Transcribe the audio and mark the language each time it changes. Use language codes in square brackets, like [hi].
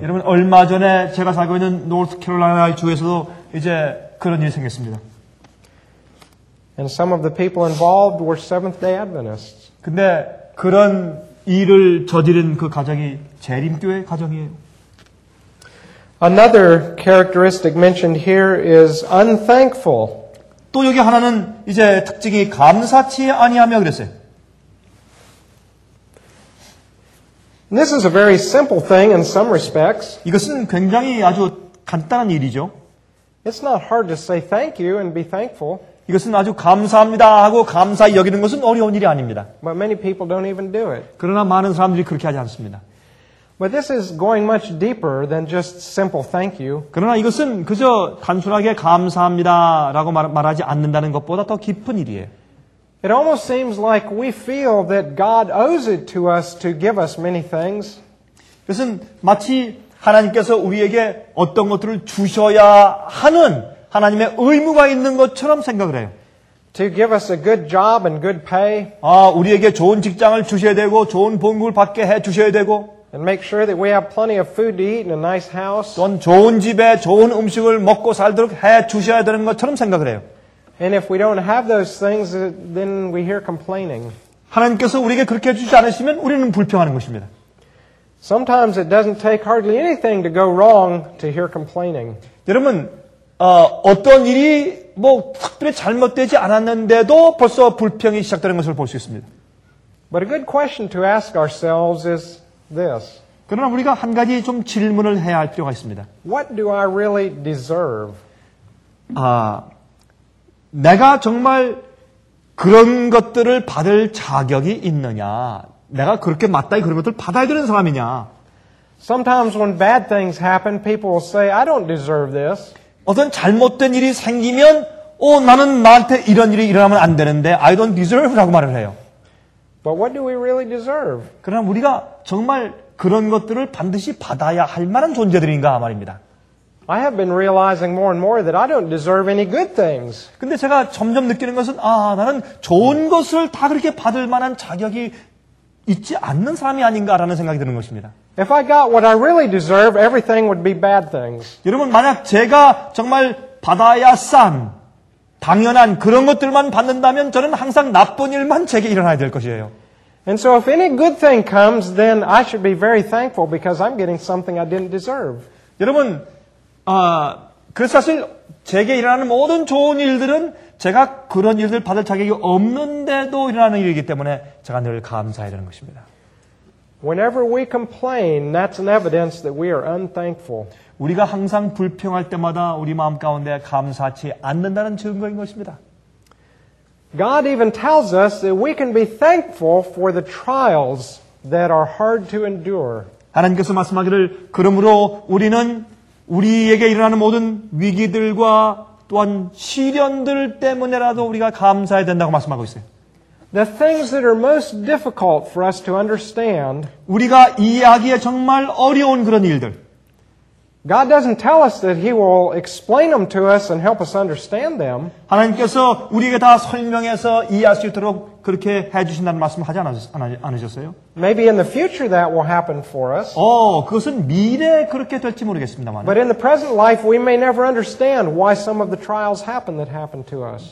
[ko] 여러분 얼마 전에 제가 살고 있는 North Carolina 주에서도 이제 그런 일이 생겼습니다. [en] And some of the people involved were Seventh-day Adventists. [ko] 근데 그런 일을 저지른 그 가정이 재림교회 가정이에요. [en] Another characteristic mentioned here is unthankful. [ko] 또 여기 하나는 이제 특징이 감사치 아니하며 그랬어요. [en] This is a very simple thing in some respects. [ko] 이것은 굉장히 아주 간단한 일이죠. [en] It's not hard to say thank you and be thankful. [ko] 이것은 아주 감사합니다 하고 감사히 여기는 것은 어려운 일이 아닙니다. [en] But many people don't even do it. [ko] 그러나 많은 사람들이 그렇게 하지 않습니다. [en] But this is going much deeper than just simple thank you. [ko] 그러나 이것은 그저 단순하게 감사합니다라고 말하지 않는다는 것보다 더 깊은 일이에요. [en] It almost seems like we feel that God owes it to us to give us many things. [ko] 이것은 마치 하나님께서 우리에게 어떤 것들을 주셔야 하는 하나님의 의무가 있는 것처럼 생각을 해요. [en] To give us a good job and good pay. [ko] 아, 우리에게 좋은 직장을 주셔야 되고 좋은 봉급을 받게 해 주셔야 되고. [en] And make sure that we have plenty of food to eat in a nice house. [ko] 또 좋은 집에 좋은 음식을 먹고 살도록 해 주셔야 되는 것처럼 생각을 해요. [en] And if we don't have those things, then we hear complaining. [ko] 하나님께서 우리에게 그렇게 주지 않으시면 우리는 불평하는 것입니다. [en] Sometimes it doesn't take hardly anything to go wrong to hear complaining. [ko] 여러분, 어떤 일이 뭐 특별히 잘못되지 않았는데도 벌써 불평이 시작되는 것을 볼 수 있습니다. [en] But a good question to ask ourselves is this. [ko] 그러나 우리가 한 가지 좀 질문을 해야 할 필요가 있습니다. [en] What do I really deserve? [ko] 내가 정말 그런 것들을 받을 자격이 있느냐? 내가 그렇게 마땅히 그런 것들을 받아야 되는 사람이냐? [en] Sometimes when bad things happen, people will say, I don't deserve this. [ko] 어떤 잘못된 일이 생기면, 나는 나한테 이런 일이 일어나면 안 되는데, [en] I don't deserve [ko] 라고 말을 해요. [en] But what do we really deserve? [ko] 그럼 우리가 정말 그런 것들을 반드시 받아야 할 만한 존재들인가 말입니다. [en] I have been realizing more and more that I don't deserve any good things. [ko] 근데 제가 점점 느끼는 것은 나는 좋은 것을 다 그렇게 받을 만한 자격이 있지 않는 사람이 아닌가라는 생각이 드는 것입니다. [en] If I got what I really deserve, everything would be bad things. [ko] 여러분 만약 제가 정말 받아야 싼 당연한 그런 것들만 받는다면 저는 항상 나쁜 일만 제게 일어나야 될 것이에요. [en] And so if any good thing comes, then I should be very thankful because I'm getting something I didn't deserve. [ko] 여러분 그래서 사실 제게 일어나는 모든 좋은 일들은 제가 그런 일들 받을 자격이 없는데도 일어나는 일이기 때문에 제가 늘 감사해야 되는 것입니다. [en] Whenever we complain, that's an evidence that we are unthankful. [ko] 우리가 항상 불평할 때마다 우리 마음 가운데 감사하지 않는다는 증거인 것입니다. [en] God even tells us that we can be thankful for the trials that are hard to endure. [ko] 하나님께서 말씀하기를 그러므로 우리는 우리에게 일어나는 모든 위기들과 또한 시련들 때문에라도 우리가 감사해야 된다고 말씀하고 있어요. [en] The things that are most difficult for us to understand. [ko] 우리가 이해하기에 정말 어려운 그런 일들. [en] God doesn't tell us that He will explain them to us and help us understand them. [ko] 하나님께서 우리에게 다 설명해서 이해할 수 있도록 그렇게 해주신다는 말씀을 하지 않으셨어요? [en] Maybe in the future that will happen for us. [ko] 그것은 미래에 그렇게 될지 모르겠습니다만. [en] But in the present life, we may never understand why some of the trials happen that happened to us.